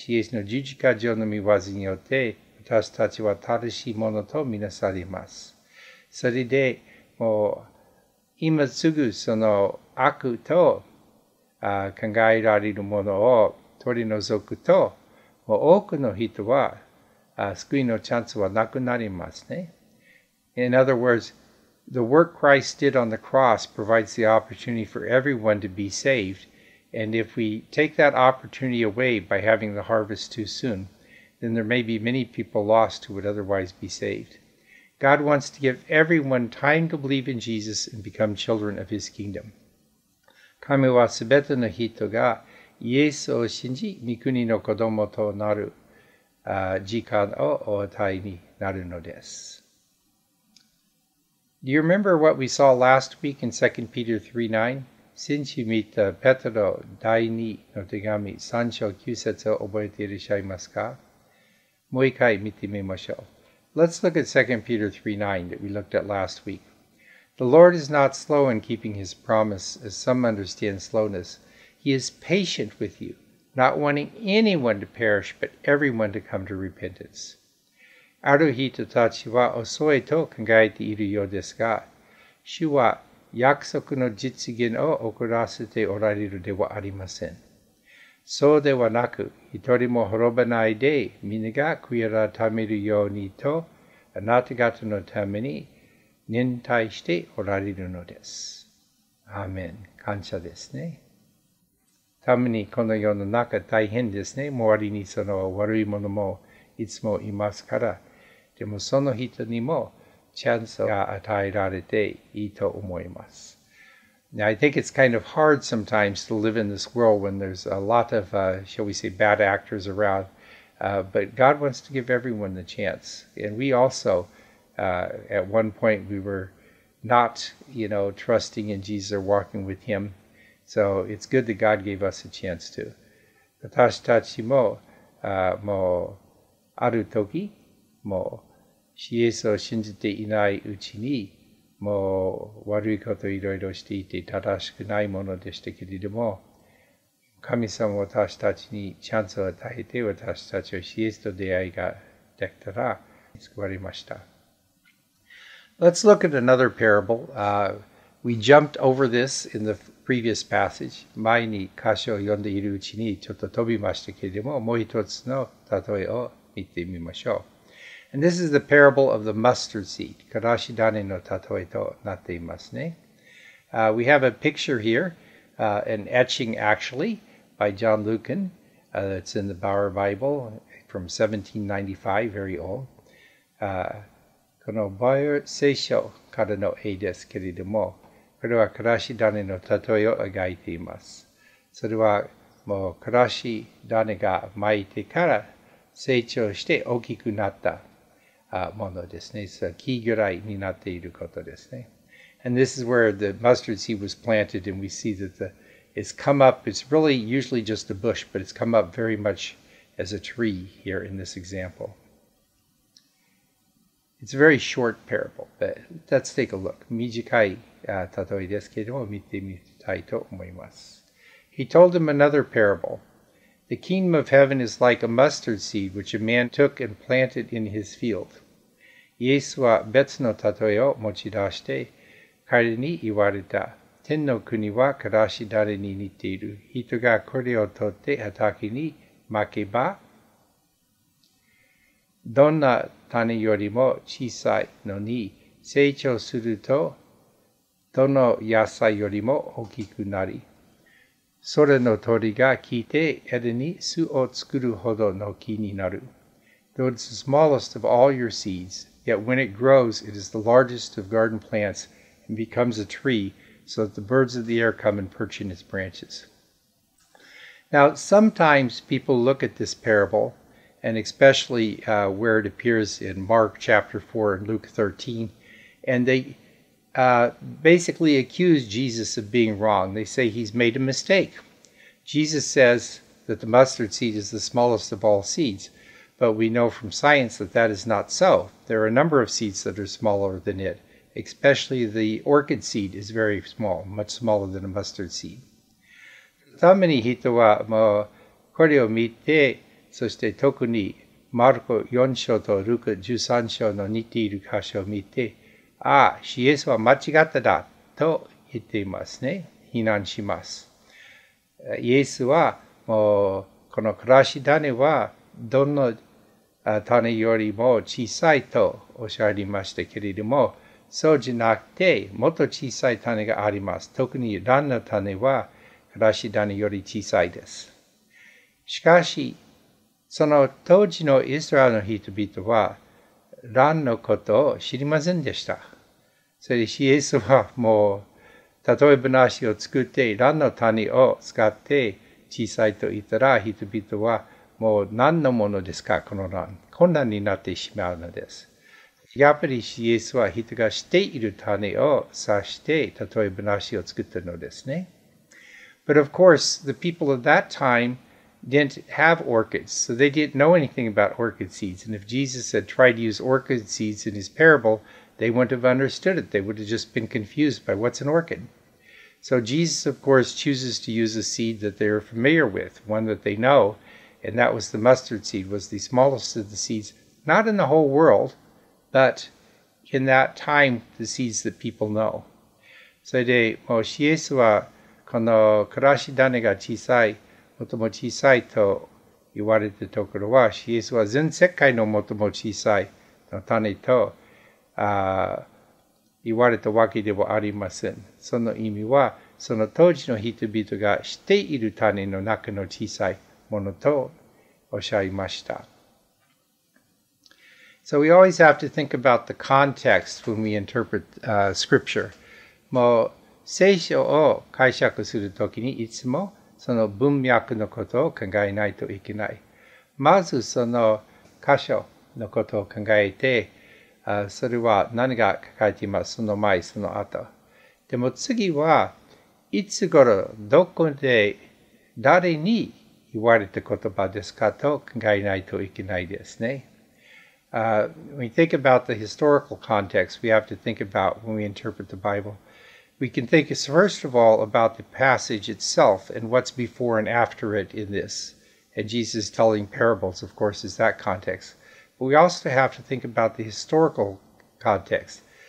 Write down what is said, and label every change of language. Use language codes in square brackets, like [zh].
[ja] イエスの十字架上の御業によって、私たちは正しいものとみなされます。それで、もう今すぐその悪と考えられるものを取り除くと、もう多くの人は救いのチャンスはなくなりますね。 [en] In other words, the work Christ did on the cross provides the opportunity for everyone to be saved, and if we take that opportunity away by having the harvest too soon, then there may be many people lost who would otherwise be saved. God wants to give everyone time to believe in Jesus and become children of His kingdom. [ja] 神はすべての人がイエスを信じ、御国の子供となる時間をお与えになるのです。 [en] Do you remember what we saw last week in 2 Peter 3:9? [ja] 先週見たペテロ第2の手紙3章9節を覚えていらっしゃいますか？もう一回見てみましょう。 [en] Let's look at 2 Peter 3:9 that we looked at last week. The Lord is not slow in keeping His promise, as some understand slowness. He is patient with you, not wanting anyone to perish, but everyone to come to repentance. [ja] ある人たちは遅いと考えているようですが、主は約束の実現を遅らせておられるではありません。そうではなく、一人も滅ばないで、皆が悔い改めるようにと、あなた方のために忍耐しておられるのです。アーメン。感謝ですね。たまにこの世の中大変ですね。周りにその悪いものもいつもいますから。でもその人にもチャンスが与えられていいと思います。 [en] Now, I think it's kind of hard sometimes to live in this world when there's a lot of, shall we say, bad actors around. But God wants to give everyone the chance. And we also, at one point, we were not, you know, trusting in Jesus or walking with Him. So it's good that God gave us a chance too. [ja] 私たちも、もうある時、もうイエスを信じていないうちに、もう悪いこといろいろしていて正しくないものでしたけれども、神様は私たちにチャンスを与えて、私たちはイエスと出会いができたら救われました。 [en] Let's look at another parable. We jumped over this in the previous passage. [ja] 前に箇所を読んでいるうちにちょっと飛びましたけれども、もう一つの例えを見てみましょう。 [en] And this is the parable of the mustard seed. [ja] からし種のたとえとなっていますね。 [en] We have a picture here, an etching actually, by John Lucan. It's in the Bauer Bible from 1795, very old. [ja] この Bauer 聖書からの絵ですけれども、これはからし種のたとえを描いています。それはもうからし種がまいてから成長して大きくなった。ものですね。木ぐらいになっていることですね。 [en] And this is where the mustard seed was planted, and we see that it's come up. It's really usually just a bush, but it's come up very much as a tree here in this example. It's a very short parable, but let's take a look. [ja] 短い例えですけれども、見てみたいと思います。 [en] He told him another parable. The kingdom of heaven is like a mustard seed which a man took and planted in his field. [ja] イエスは別の例えを持ち出して彼に言われた。天の国はからし種に似ている。人がこれを取って畑に撒けば、どんな種よりも小さいのに成長すると、どの野菜よりも大きくなり。それの鳥が聞いて、エデンに巣を作るほどの木になる。 [en] Though it's the smallest of all your seeds, yet when it grows, it is the largest of garden plants and becomes a tree, so that the birds of the air come and perch in its branches. Now, sometimes people look at this parable, and especially where it appears in Mark chapter 4 and Luke 13, and they... basically accuse Jesus of being wrong. They say he's made a mistake. Jesus says that the mustard seed is the smallest of all seeds, but we know from science that that is not so. There are a number of seeds that are smaller than it, especially the orchid seed is very small, much smaller than a mustard seed. [ja] たまに人はもうこれを見て、そして特にマルコ4章とルカ13章の似ている箇所を見て、ああ、イエスは間違っただと言っていますね。非難します。イエスはもうこの枯らし種はどの種よりも小さいとおっしゃりましたけれども、そうじゃなくてもっと小さい種があります。特に蘭の種は枯らし種より小さいです。しかし、その当時のイスラエルの人々は蘭のことを知りませんでした。それでイエスはもう例え話を作って蘭の種を使って小さいと言ったら、人々はもう何のものですか、この蘭、困難になってしまうのです。やっぱりイエスは人が知っている種を指して例え話を作っているのですね。 [en] But of course the people of that timeDidn't have orchids, so they didn't know anything about orchid seeds. And if Jesus had tried to use orchid seeds in his parable, they wouldn't have understood it. They would have just been confused by what's an orchid. So Jesus, of course, chooses to use a seed that they're familiar with, one that they know, and that was the mustard seed, was the smallest of the seeds, not in the whole world, but in that time, the seeds that people know. [ja] So で、もうイエスはこの枯らし種が小さい、最も小さいと言われたところは、イエスは全世界の最も小さいの種と言われたわけではありません。その意味は、その当時の人々が知っている種の中の小さいものとおっしゃいました。 [en] So we always have to think about the context when we interpret scripture. [ja] もう聖書を解釈するときにいつもその文脈のことを考えないといけない。まずその箇所のことを考えて、それは何が書かれています、その前、その後。でも次はいつ頃、どこで、誰に言われた言葉ですかと考えないといけないですね。 [en] When we think about the historical context, we have to think about when we interpret the Bible. We can think first of all about the passage itself and what's before and after it in this. And Jesus telling parables, of course, is that context. But we also have to think about the historical context.